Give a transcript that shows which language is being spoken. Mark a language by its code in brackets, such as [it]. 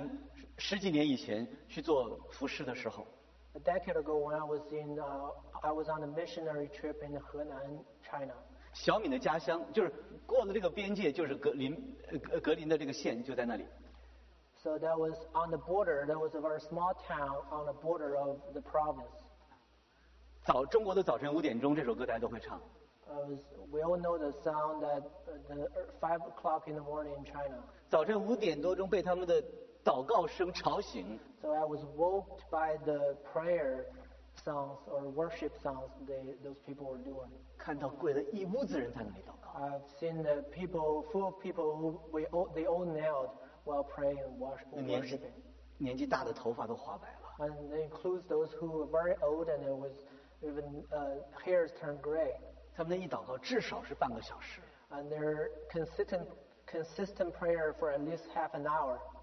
[zh] 我在中国河南十几年以前去做服事的时候， [en] a decade ago when I was on a missionary trip in 河南 China, [zh] 小敏的家乡就是过了这个边界，就是格林的这个县就在那里。 [en] So that was on the border. That was a very small town on the border of the province. [zh] 早中国的早晨五点钟，这首歌大家都会唱。 [en] We all know the song that the 5 o'clock in the morning in China. [zh] 早晨五点多钟被他们的祷告声吵醒。 [en] So I was woke by the prayer songs or worship songs those people were doing. [zh] 看到跪了一屋子人在那里祷告。 [en] I've seen the people, full of people who they all knelt while praying and worshiping. [zh] 年纪大的头发都花白了。 [en] And it includes those who were very old and it was even hairs turn gray. [zh] 他们那一祷告至少是半个小时。 [en] And their consistent prayer for at least half an hour.